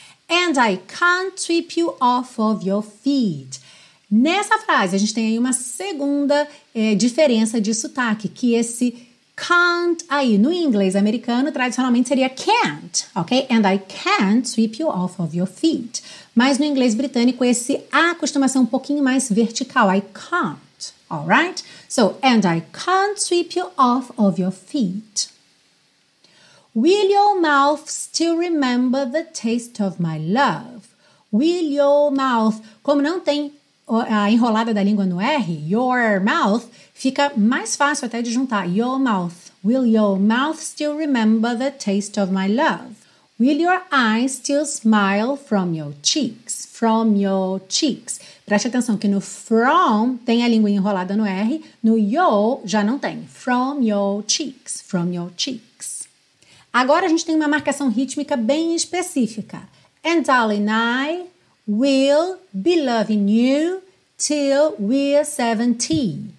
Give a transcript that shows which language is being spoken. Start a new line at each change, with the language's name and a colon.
English: And I can't sweep you off of your feet.
Portuguese: Nessa frase, a gente tem aí uma segunda diferença de sotaque, que esse can't aí, no inglês americano, tradicionalmente seria can't, ok?
English: And I can't sweep you off of your feet.
Portuguese: Mas no inglês britânico, esse A costuma ser um pouquinho mais vertical,
English: I can't, alright? So, and I can't sweep you off of your feet. Will your mouth still remember the taste of my love? Will your mouth...
Portuguese: Como não tem a enrolada da língua no R,
English: your mouth,
Portuguese: fica mais fácil até de juntar.
English: Your mouth. Will your mouth still remember the taste of my love? Will your eyes still smile from your cheeks? From your cheeks.
Portuguese: Preste atenção que no from tem a língua enrolada no R, no your já não tem.
English: From your cheeks. From your cheeks.
Portuguese: Agora a gente tem uma marcação rítmica bem específica.
English: And darling, I will be loving you till we're 17.